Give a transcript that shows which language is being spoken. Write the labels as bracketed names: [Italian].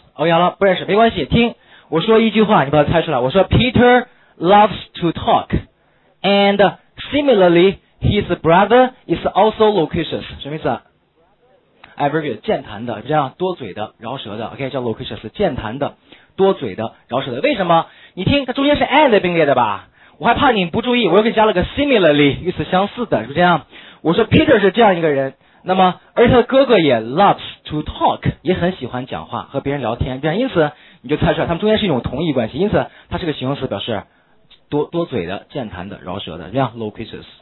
[Chinese] OK， 好了，不认识没关系，听我说一句话你把它猜出来。我说 [English] Peter loves to talk and similarly his brother is also loquacious， [Chinese] 什么意思？ Average， 健谈的，这样多嘴的饶舌的。 OK， 叫 loquacious， 健谈的多嘴的饶舌的。为什么？你听它中间是 and 并列的吧，我还怕你不注意，我又给你加了个 similarly， 与此相似的，是不是这样？我说 Peter 是这样一个人，那么而他哥哥也 [English] loves to talk， [Chinese] 也很喜欢讲话和别人聊天，这样因此你就猜出来他们中间是一种同义关系，因此它是个形容词，表示 多嘴的健谈的饶舌的，这样 loquacious。